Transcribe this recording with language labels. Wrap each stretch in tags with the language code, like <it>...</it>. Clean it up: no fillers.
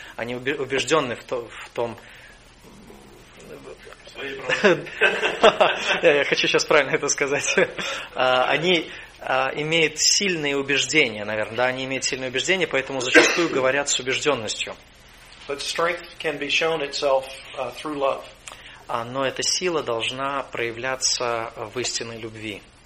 <ru>Они убежденные в том. Я хочу сейчас правильно это сказать. Они имеют сильные убеждения, наверное, да, они имеют сильные убеждения, поэтому зачастую говорят с убежденностью.</ru> <en>But strength can be shown itself through love.</en> <ru>Но эта сила должна проявляться в истинной любви.</ru>